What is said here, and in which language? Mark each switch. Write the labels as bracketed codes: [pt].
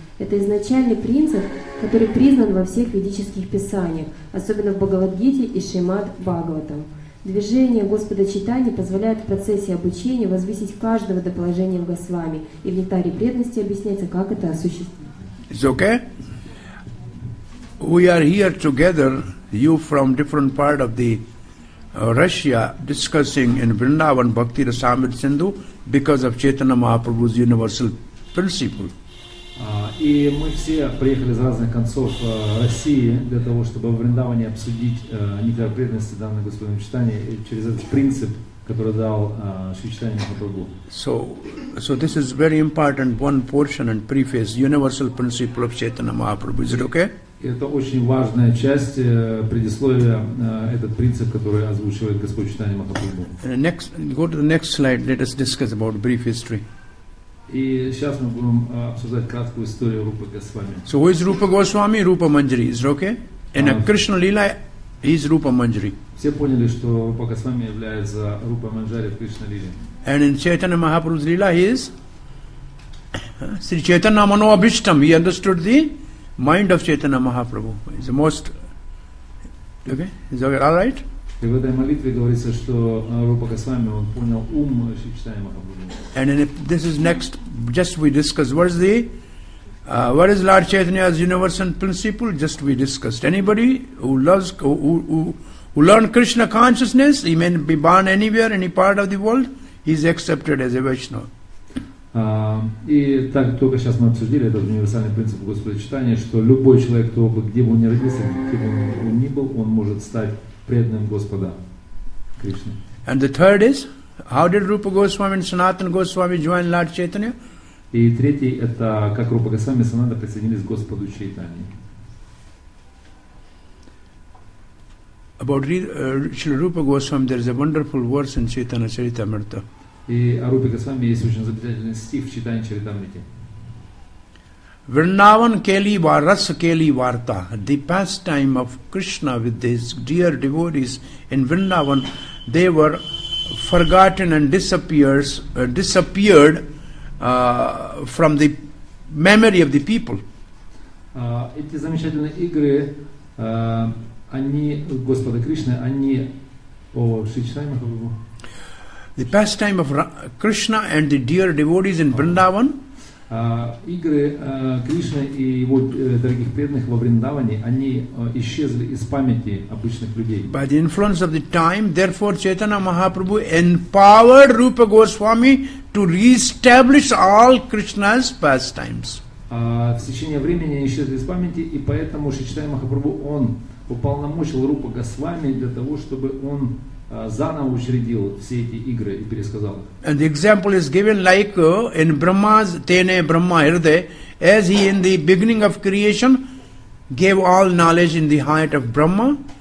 [ru] Это изначальный принцип, который признан во всех ведических писаниях, особенно в Бхагавад-гите и Шримад-Бхагаватам. Движение Господа Чайтаньи позволяет в процессе обучения возвысить каждого до положения в Госвами, и в нектаре преданности объясняется, как это осуществить. [en] Okay. We are here together. You from different part of the Russia discussing in Vrindavan Bhakti Rasamrita Sindhu because of Chaitanya Mahaprabhu's universal principle. [ru] И мы все приехали из разных концов России для того, чтобы в Вриндаване обсудить нектар преданности данного Господа Чайтаньи через этот принцип, который дал Шри Чайтанья Махапрабху. [en] So this is very important one portion and preface universal principle of Chaitanya Mahaprabhu. Is it okay? [ru] Это очень важная часть предисловия, этот принцип, который озвучивает Господь Чайтанья Махапрабху. [en] Go to the next slide, let us discuss about brief history. [ru] И сейчас мы будем обсуждать краткую историю Рупы Госвами. [en] So who is Rupa Goswami? Rupa Manjari, is it okay? In a Krishna Lila is Rupa Manjari. [ru] Все поняли, что Рупа Госвами является Рупа Манджари в Кришна Лиле. [en] And in Chaitanya Mahaprabhu's Lila he is Sri Chaitanya Mano Abhishtam. He understood the mind of Chaitanya Mahaprabhu. It's the most okay. Is that all right? [ru] И в этой молитве говорится, что Рупа Госвами он понял ум Шри Чайтанья Махапрабху. [en] And in this is next. Just we discuss what is the what is Lord Chaitanya's universal principle? Just we discussed. Anybody who loves, who learned Krishna consciousness, he may be born anywhere, any part of the world, he is accepted as a Vaishnava. [ru] И так только сейчас мы обсудили этот универсальный принцип Господа Читания, что любой человек, кто бы, где бы он ни родился, где бы он ни был, он может стать преданным Господа Кришны. [en] And the third is, how did Rupa Goswami and Sanatana Goswami join Lord Chaitanya? [ru] И третий – это как Рупа Госвами и Санатана присоединились к Господу Чайтани. [en] About Shri Rupa Goswami, there is a wonderful verse in Chaitanya Charitamrita. [ru] И о Рупе Госвами есть очень замечательный стих в Чайтани Чаритамрите. [sa] Vrindavan keli var ras keli varta. [en] The pastime of Krishna with his dear devotees in Vrindavan, they were forgotten and disappeared from the memory of the people. [ru] Эти замечательные игры, они Господа Кришны, они о Шри Чайтанья Махапрабху. [en] The pastime of Krishna and the dear devotees in Vrindavan. [ru] Игры Кришны и его дорогих преданных во Вриндаване, они исчезли из памяти обычных людей. [en] By the influence of the time, therefore, Chaitanya Mahaprabhu empowered Rupa Goswami to re-establish all Krishna's pastimes. [ru] В течение времени они исчезли из памяти, и поэтому Шри Чайтанья Махапрабху, он уполномочил Рупа Госвами для того, чтобы он заново учредил все эти игры и пересказал их. [en] And the example is given like in Brahma's Tene Brahma Hirde, as he in the beginning of creation gave all knowledge in the heart of Brahma.